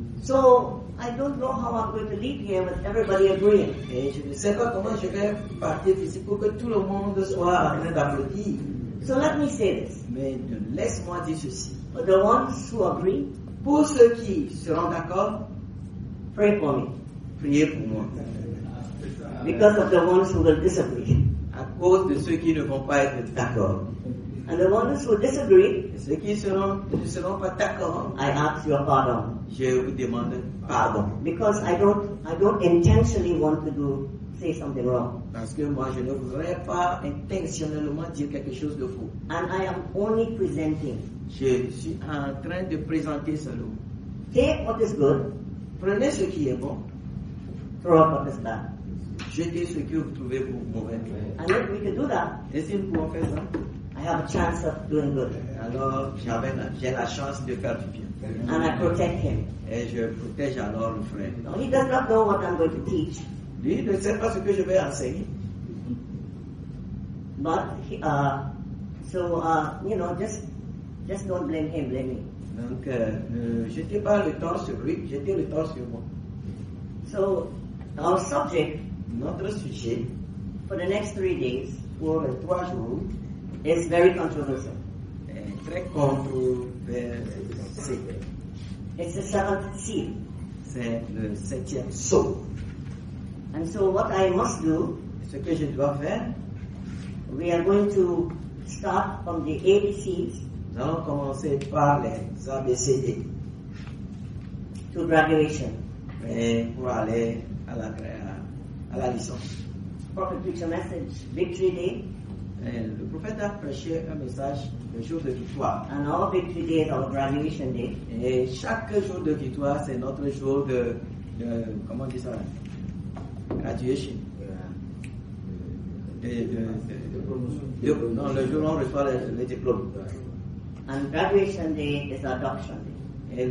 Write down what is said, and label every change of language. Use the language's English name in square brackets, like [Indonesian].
[English] So I don't know how I'm going to leave here with everybody agreeing. [French] Et je ne sais pas comment je vais partir d'ici pour que tout le monde soit en train d'applaudir. [English] So let me say this. [French] Mais laisse-moi dire ceci. [English] For the ones who agree, [French] pour ceux qui seront d'accord, [English] pray for me. [French] Priez pour moi. [English] Because of the ones who will disagree. [French] À cause de ceux qui ne vont pas être d'accord. [English] And the ones who disagree, [French] et ceux qui ne seront pas d'accord, [English] I ask your pardon. [French] Je vous demande pardon. [English] Because I don't intentionally want to say something wrong. [French] Parce que moi, je ne voudrais pas intentionnellement dire quelque chose de faux. [English] And I am only presenting. [French] Je suis en train de présenter cela. [English] Take what is good. [French] Prenez ce qui est bon. [English] Throw up what is bad. [French] Jetez ce que vous trouvez pour mauvais. [English] And if we can do that. [French] Et si nous pouvons faire ça? [English] I have a chance of doing good. [French] Alors, j'ai la chance de faire du bien. [English] And I protect him. [French] Et je protège alors le frère. [English] No, he does not know what I'm going to teach. [French] Lui ne sait pas ce que je vais enseigner. [English] But just don't blame him, blame me. [French] Donc, jetez pas le temps sur lui, jetez le temps sur moi. [English] So, our subject. [French] Notre sujet. [English] For the next 3 days. [French] Pour les 3 jours. [English] Is very controversial. [French] Très controversé. [English] It's the seventh seal. [French] C'est le septième sceau. [English] And so what I must do. [French] Ce que je dois faire. [English] We are going to start from the ABCs. [French] Nous allons commencer par les ABCD. [English] To graduation. [French] Et pour aller à la licence. [English] Prophet preached a message, Victory Day. [French] Et le prophète a prêché un message, le jour de victoire. [English] And our Victory Day is our graduation day. [French] Et chaque jour de victoire, c'est notre jour de comment on dit ça? [English] Graduation. [French] De promotion. Le jour où on reçoit les diplômes. [English] And graduation day is adoption day.